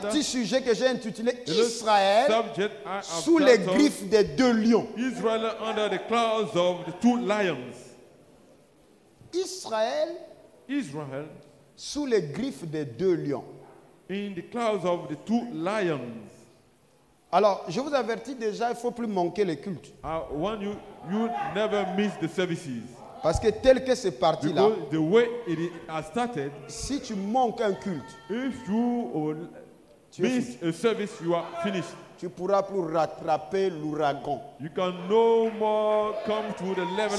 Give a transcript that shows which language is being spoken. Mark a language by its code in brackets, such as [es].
[fr] petit sujet que j'ai intitulé Israël sous les griffes des deux lions. [en] Israël under the claws of the two lions. [fr] Israël sous les griffes des deux lions. [en] In the claws of the two lions. [fr] Alors, je vous avertis déjà, il ne faut plus manquer les cultes. [en] I want you, you never miss the services. [fr] Parce que tel que c'est parti là, [en] the way it has started, [fr] si tu manques un culte, [en] if you miss a service, you are finished. [fr] Tu pourras plus rattraper l'ouragan. [en] You can no more come to the level